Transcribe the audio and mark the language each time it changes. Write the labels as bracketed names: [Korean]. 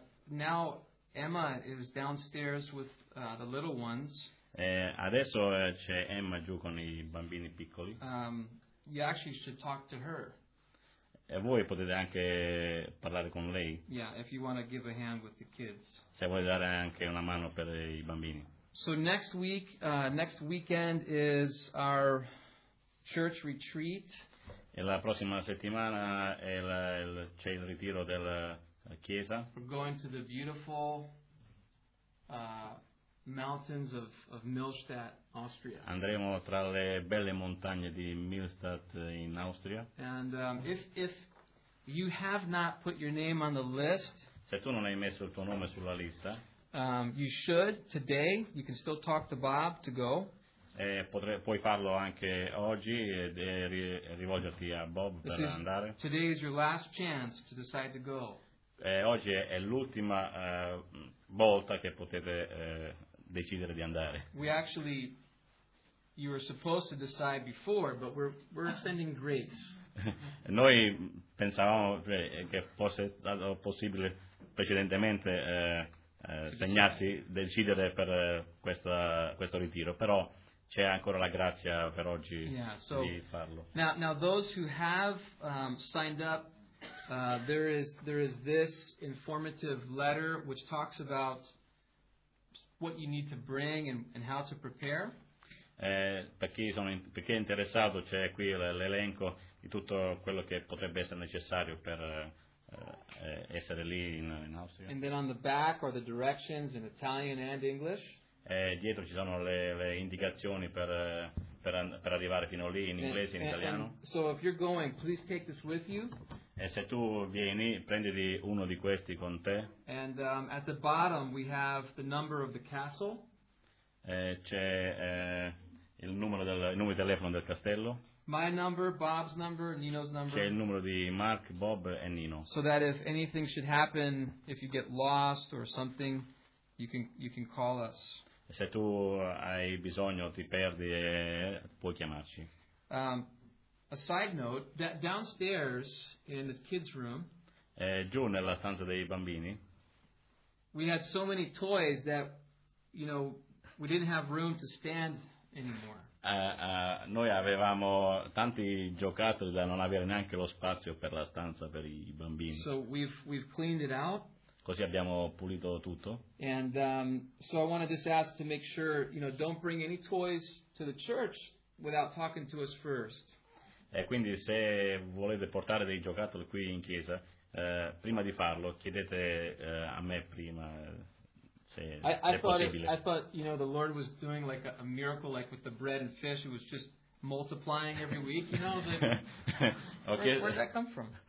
[English] Now Emma is downstairs with the little ones. [Italian] Adesso c'è Emma giù con I bambini piccoli. [English] You actually should talk to her. [Italian] E voi potete anche parlare con lei. [English] Yeah, if you want to give a hand with the kids. [Italian] Se vuoi dare anche una mano per I bambini. [English] So next week, next weekend is our church retreat. [Italian] E la prossima settimana è c'è il ritiro della chiesa. [English] We're going to the beautiful mountains of Millstatt, Austria. [Italian] Andremo tra le belle montagne di Millstatt in Austria. [English] And if you have not put your name on the list, [Italian] se tu non hai messo il tuo nome sulla lista, [English] you should today. You can still talk to Bob to go. [Italian] Puoi farlo anche oggi e rivolgerti a Bob per andare. [English] Today is your last chance to decide to go. [Italian] Oggi è l'ultima volta che potete decidere di andare. [English] We actually, you were supposed to decide before, but we're extending grace. [Italian] Noi pensavamo che fosse stato possibile precedentemente segnarsi, decidere per questo ritiro, però c'è ancora la grazia per oggi, [English] yeah, so [Italian] di farlo. [English] Now those who have signed up, there is this informative letter which talks about what you need to bring and how to prepare. [Italian] Per chi è interessato, c'è qui l'elenco di tutto quello che potrebbe essere necessario per essere lì in Austria. [English] And then on the back are the directions in Italian and English. [Italian] Dietro ci sono le indicazioni per arrivare fino lì in inglese e in italiano. [English] So if you're going, please take this with you. [Italian] E se tu vieni, prenditi uno di questi con te. [English] And at the bottom we have the number of the castle. [Italian] C'è il numero di telefono del castello. [English] My number, Bob's number, Nino's number. [Italian] C'è il numero di Mark, Bob e Nino. [English] So that if anything should happen, if you get lost or something, you can call us. [Italian] Se tu hai bisogno, ti perdi, puoi chiamarci. [English] A side note, that downstairs in the kids' room, [Italian] giù nella stanza dei bambini, [English] we had so many toys that, you know, we didn't have room to stand anymore. [Italian] Noi avevamo tanti giocattoli da non avere neanche lo spazio per la stanza per I bambini. [English] So we've cleaned it out. [Italian] Così abbiamo pulito tutto. [English] And so I want to just ask to make sure, you know, don't bring any toys to the church without talking to us first. [Italian] E quindi se volete portare dei giocattoli qui in chiesa, prima di farlo chiedete a me prima se è possibile. [English] I thought, you know, the Lord was doing like a miracle, like with the bread and fish. It was just multiplying every week, you know. Okay. Where did that come from?